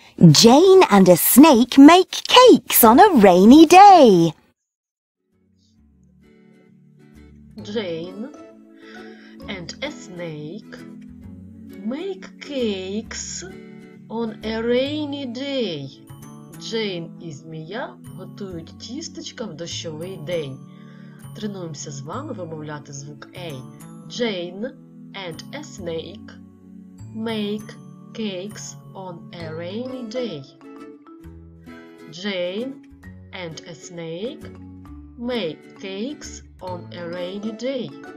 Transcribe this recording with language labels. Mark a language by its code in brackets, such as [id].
[en] Jane and a snake make cakes on a rainy day. Jane and a snake make cakes on a rainy day. [uk] Jane і змія готують тістечка в дощовий день. Тренуємося з вами вимовляти звук A. [en] Jane and a snake make cakes on a rainy day. Jane and a snake make cakes on a rainy day.